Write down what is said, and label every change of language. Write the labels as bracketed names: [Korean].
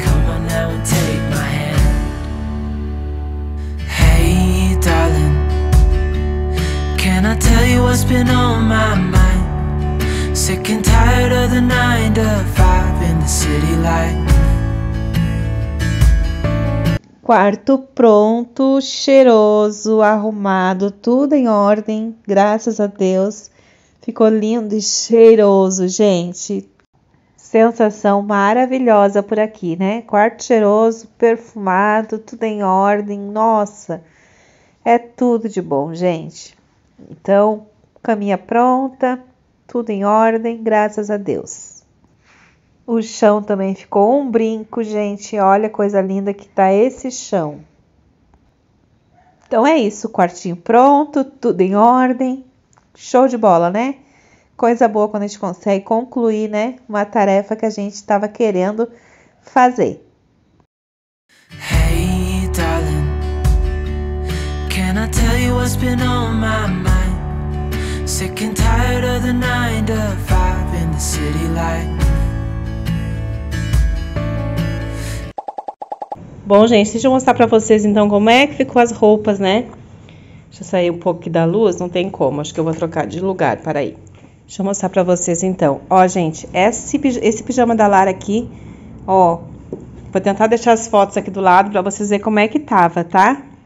[English] Come on now and take my hand. Hey, darling, can I tell you what's been on my mind? Sick and tired of the 9 to 5 in the city light. [Portuguese] Quarto pronto, cheiroso, arrumado, tudo em ordem, graças a Deus. Ficou lindo e cheiroso, gente. Sensação maravilhosa por aqui, né? Quarto cheiroso, perfumado, tudo em ordem. Nossa, é tudo de bom, gente. Então, caminha pronta, tudo em ordem, graças a Deus. O chão também ficou um brinco, gente. Olha a coisa linda que tá esse chão. Então é isso, quartinho pronto, tudo em ordem. Show de bola, né? Coisa boa quando a gente consegue concluir, né? Uma tarefa que a gente estava querendo fazer. [English] Hey, darling, can I tell you what's been on my mind? Sick and tired of the 9 to 5 in the city light. [Portuguese] Bom, gente, deixa eu mostrar pra vocês então como é que ficou as roupas, né? Deixa eu sair um pouco aqui da luz, não tem como, acho que eu vou trocar de lugar, para aí. Deixa eu mostrar pra vocês então. Ó, gente, esse pijama da Lara aqui, ó, vou tentar deixar as fotos aqui do lado pra vocês verem como é que tava, tá?